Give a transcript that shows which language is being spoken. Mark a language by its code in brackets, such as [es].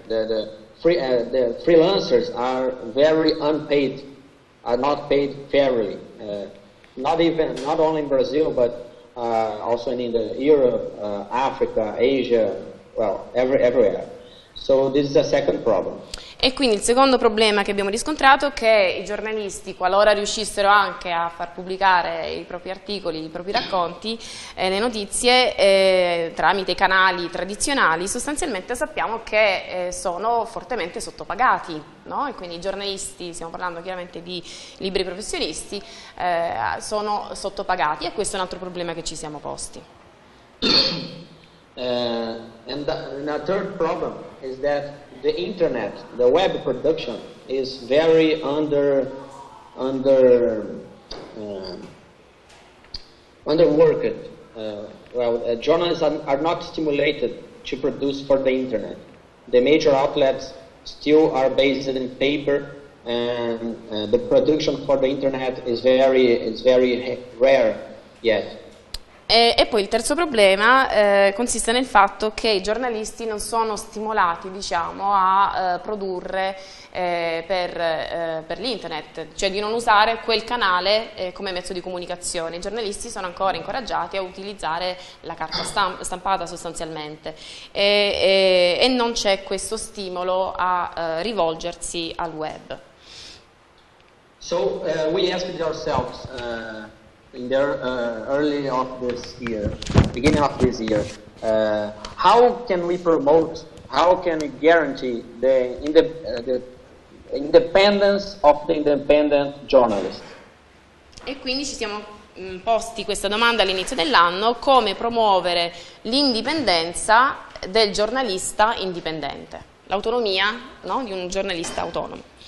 [en] The freelancers are very unpaid, are not paid fairly. Not only in Brazil, but also in the Europe, Africa, Asia, well, everywhere. So this is a second problem. [it] E quindi il secondo problema che abbiamo riscontrato è che i giornalisti, qualora riuscissero anche a far pubblicare i propri articoli, i propri racconti, le notizie tramite i canali tradizionali, sostanzialmente sappiamo che sono fortemente sottopagati, no? E quindi i giornalisti, stiamo parlando chiaramente di liberi professionisti, sono sottopagati e questo è un altro problema che ci siamo posti. [en] And a third problem is that the internet, the web production, is very underworked. Journalists are not stimulated to produce for the internet. The major outlets still are based in paper, and the production for the internet is very rare yet. [it] E poi il terzo problema consiste nel fatto che i giornalisti non sono stimolati, diciamo, a produrre per l'internet, cioè di non usare quel canale come mezzo di comunicazione. I giornalisti sono ancora incoraggiati a utilizzare la carta stampata sostanzialmente e non c'è questo stimolo a rivolgersi al web. [en] So we asked ourselves in the early of this year, beginning of this year, how can we promote, how can we guarantee the independence of the independent journalist? [it] E quindi ci siamo posti questa domanda all'inizio dell'anno, come promuovere l'indipendenza del giornalista indipendente, l'autonomia, no, di un giornalista autonomo.